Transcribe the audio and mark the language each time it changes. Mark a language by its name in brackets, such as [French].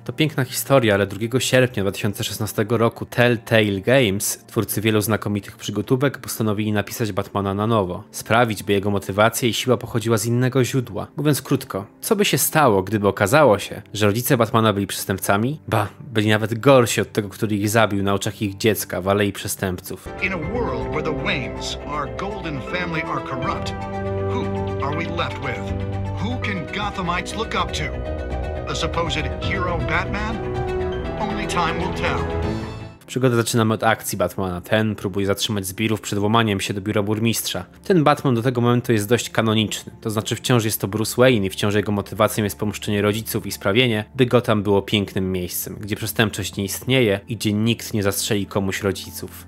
[Polish] To piękna historia, ale 2 sierpnia 2016 roku Telltale Games, twórcy wielu znakomitych przygotówek, postanowili napisać Batmana na nowo. Sprawić, by jego motywacja i siła pochodziła z innego źródła. Mówiąc krótko, co by się stało, gdyby okazało się, że rodzice Batmana byli przestępcami? Ba, byli nawet gorsi od tego, który ich zabił na oczach ich dziecka w alei przestępców. [English] In a world where the Waynes, our golden family, are corrupt, who are we left with? Who can Gothamites look up to? The supposed hero Batman? Only time will tell. [Polish] Przygodę zaczynamy od akcji Batmana. Ten próbuje zatrzymać zbirów przed włamaniem się do biura burmistrza. Ten Batman do tego momentu jest dość kanoniczny. To znaczy wciąż jest to Bruce Wayne i wciąż jego motywacją jest pomszczenie rodziców i sprawienie, by Gotham było pięknym miejscem, gdzie przestępczość nie istnieje i gdzie nikt nie zastrzeli komuś rodziców.